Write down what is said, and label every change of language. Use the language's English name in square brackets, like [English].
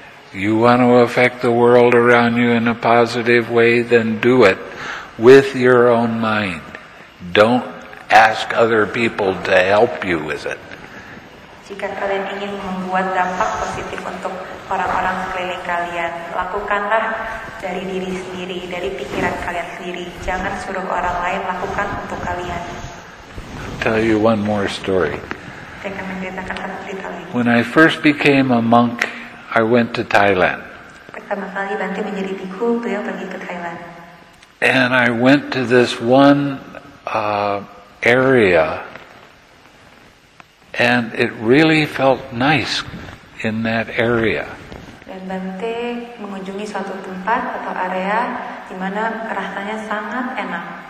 [English] You want to affect the world around you in a positive way, then do it with your own mind. Don't ask other people to help you with it. [Indonesian] Jika kalian ingin membuat dampak positif untuk orang-orang sekeliling kalian, lakukanlah dari diri sendiri, dari pikiran kalian sendiri. Jangan suruh orang lain lakukan untuk kalian. [English] Tell you one more story. [Indonesian] Saya akan menceritakan satu cerita lagi. [English] When I first became a monk, I went to Thailand. [Indonesian] Pertama kali Bante menjadi biku, beliau pergi ke Thailand. [English] And I went to this one area, and it really felt nice in that area. [Indonesian] Dan Bante mengunjungi suatu tempat atau area di mana rasanya sangat enak.